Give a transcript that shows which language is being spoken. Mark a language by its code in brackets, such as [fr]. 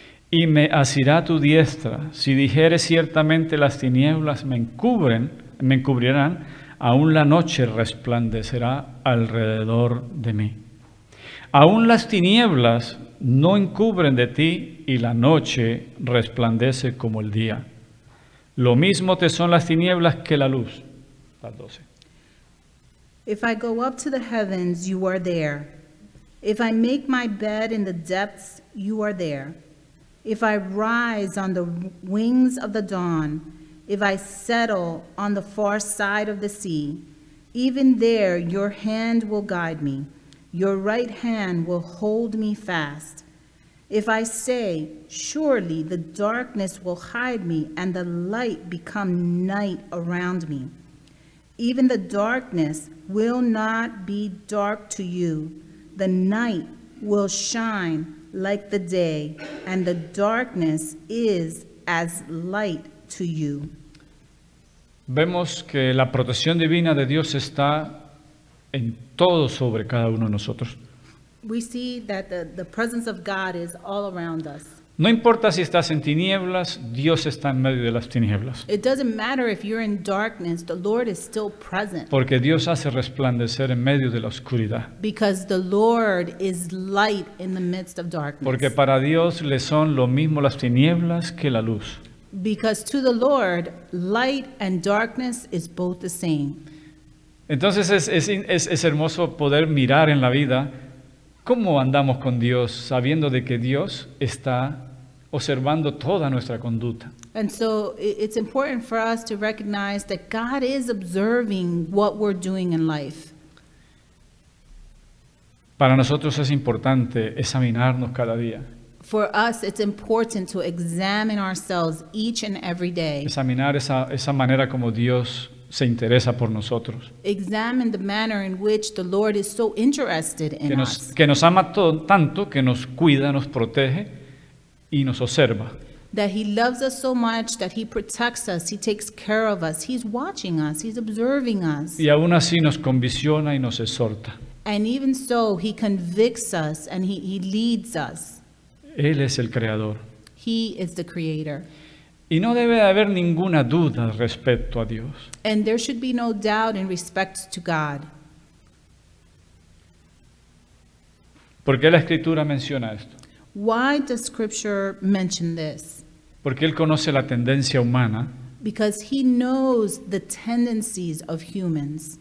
[es] Y me asirá tu diestra. Si dijere ciertamente las tinieblas me encubrirán, aún la noche resplandecerá alrededor de mí. Aún las tinieblas no encubren de ti y la noche resplandece como el día. Lo mismo te son las tinieblas que la luz. Las 12. [en] If I go up to the heavens, you are there. If I make my bed in the depths, you are there. If I rise on the wings of the dawn, if I settle on the far side of the sea, even there your hand will guide me, your right hand will hold me fast. If I say, surely the darkness will hide me and the light become night around me, even the darkness will not be dark to you. The night will shine like the day, and the darkness is as light to you. [es] Vemos que la protección divina de Dios está en todo sobre cada uno de nosotros. [en] We see that the presence of God is all around us. [es] No importa si estás en tinieblas, Dios está en medio de las tinieblas. [en] It doesn't matter if you're in darkness, the Lord is still present. [es] Porque Dios hace resplandecer en medio de la oscuridad. [en] Because the Lord is light in the midst of darkness. [es] Porque para Dios le son lo mismo las tinieblas que la luz. [en] Because to the Lord, light and darkness is both the same. [es] Entonces es hermoso poder mirar en la vida cómo andamos con Dios, sabiendo de que Dios está observando toda nuestra conducta. [en] And so it's important for us to recognize that God is observing what we're doing in life. [es] Para nosotros es importante examinarnos cada día. [en] For us, it's important to examine ourselves each and every day. [es] Examinar esa manera como Dios se interesa por nosotros. [en] Examine the manner in which the Lord is so interested in us. [es] Que nos ama tanto, que nos cuida, nos protege y nos observa. [en] That he loves us so much that he protects us, he takes care of us, he's watching us, he's observing us. [es] Y aún así nos convicciona y nos exhorta. [en] And even so, he convicts us and he leads us. [es] Él es el creador. [en] He is the creator. [es] Y no debe haber ninguna duda respecto a Dios. [en] And there should be no doubt in respect to God. [es] ¿Por qué la Escritura menciona esto? [en] Why does Scripture mention this? [es] Porque Él conoce la tendencia humana. [en] Because He knows the tendencies of humans.